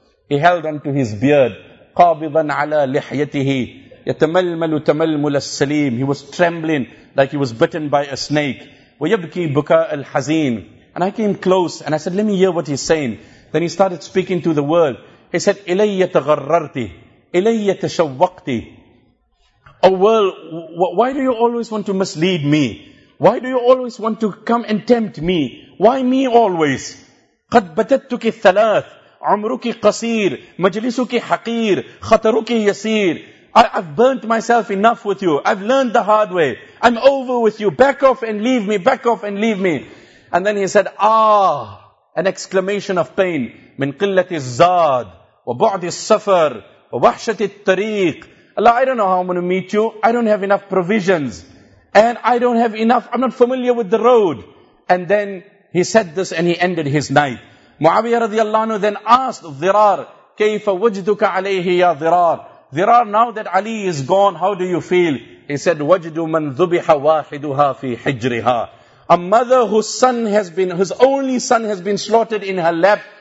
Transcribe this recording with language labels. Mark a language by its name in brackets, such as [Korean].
[English] He held onto his beard. [Arabic] قَابِضًا عَلَىٰ لِحْيَتِهِ يَتَمَلْمَلُ تَمَلْمُلَ السَّلِيمِ. [English] He was trembling like he was bitten by a snake. [Arabic] وَيَبْكِي بُكَاءَ الْحَزِينِ. [English] And I came close and I said, let me hear what he's saying. Then he started speaking to the world. He said, [Arabic] إِلَيَّ تَغَرَّرْتِ إِلَيَّ تَشَوَّقْتِ. [English] Oh world, why do you always want to mislead me? Why do you always want to come and tempt me? Why me always? [Arabic] قَدْ بَتَتُكِ الثَّلَاثِ. عمرك قصير مجلسك حقير خطرك يسير. [English] I've burnt myself enough with you. I've learned the hard way. I'm over with you. Back off and leave me. Back off and leave me. And then he said, ah, an exclamation of pain. [Arabic] من قلة الزاد وبعد السفر ووحشة الطريق. [English] Allah, I don't know how I'm going to meet you. I don't have enough provisions. And I don't have enough. I'm not familiar with the road. And then he said this and he ended his night. Muawiyah radiallahu anhu then asked Dhirar, [Arabic] كَيْفَ وَجْدُكَ عَلَيْهِ يَا [English] Dhirar. Dhirar, now that Ali is gone, how do you feel? He said, [Arabic] وَجْدُ مَنْ ذُبِحَ وَاحِدُهَا فِي حِجْرِهَا. [English] A mother whose son has been, whose only son has been slaughtered in her lap,